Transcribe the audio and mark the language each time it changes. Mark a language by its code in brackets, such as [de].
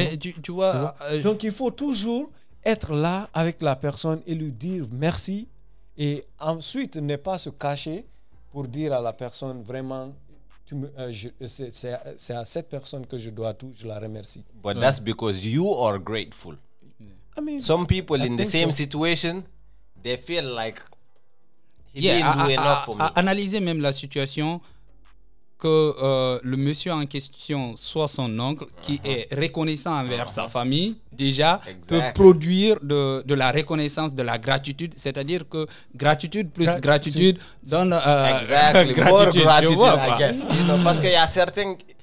[fr] Mais tu vois donc, il faut toujours être là avec la personne et lui dire merci. Et ensuite, ne pas se cacher pour dire à la personne vraiment... c'est à cette personne que je dois tout, je la remercie. [en] But that's because you are grateful. I mean, some people in the same situation, they feel like he didn't do enough for me. [fr] Analyser même la situation, que le monsieur en question soit son oncle, qui est reconnaissant envers sa famille, déjà, peut produire de la reconnaissance, de la gratitude. C'est-à-dire que gratitude plus gratitude donne... [en] gratitude, more gratitude, [fr] vois, [en] I guess. [fr] Parce qu'il y a certains...